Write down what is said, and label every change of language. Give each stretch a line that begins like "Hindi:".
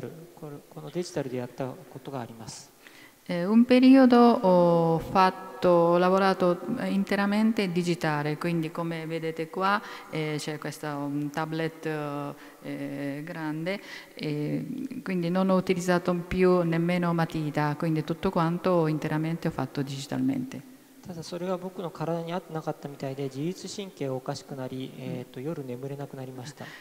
Japanese: 一時期フルデジタルに挑戦し下書きからペン入れまで全部デジタルこのデジタルでやったことがあります
Italian: un periodo ho lavorato interamente digitale quindi come vedete qua c'è questo tablet grande quindi non ho utilizzato più nemmeno matita quindi tutto quanto interamente ho fatto digitalmente
Japanese: ただそれが僕の体に合ってなかったみたいで自律神経をおかしくなり夜眠れなくなりました